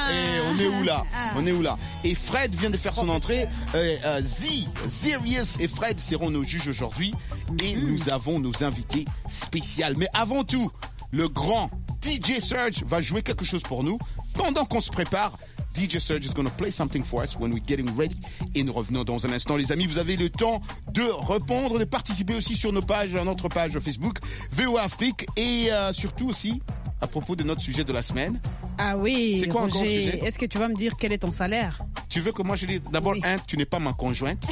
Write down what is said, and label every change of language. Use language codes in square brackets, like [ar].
[fr] Et on est où là? On est où là? Et Fred vient de faire son entrée. Zerius et Fred seront nos juges aujourd'hui. Et nous avons nos invités spéciales. Mais avant tout, le grand DJ Serge va jouer quelque chose pour nous pendant qu'on se prépare. [en] DJ Serge is going to play something for us when we're getting ready. [fr] Et nous revenons dans un instant. Les amis, vous avez le temps de répondre, de participer aussi sur nos pages, notre page Facebook, VOA Afrique. Et surtout aussi, à propos de notre sujet de la semaine. Ah oui, c'est quoi Roger, encore le sujet? Est-ce que tu vas me dire quel est ton salaire? Tu veux que moi je dise d'abord, oui. Tu n'es pas ma conjointe.